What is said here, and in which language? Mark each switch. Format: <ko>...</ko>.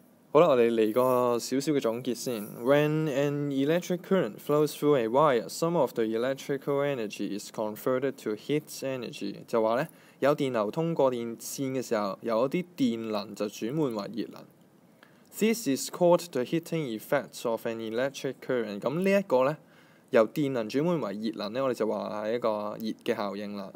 <yue>好啦，我哋嚟個少少嘅總結先。</yue> <en>When an electric current flows through a wire, some of the electrical energy is converted to heat energy。</en> <yue>就話咧，有電流通過電線嘅時候，有一啲電能就轉換為熱能。</yue> <en>This is called the heating effect of an electric current。</en> <yue>咁呢一個咧，由電能轉換為熱能咧，我哋就話係一個熱嘅效應啦。</yue>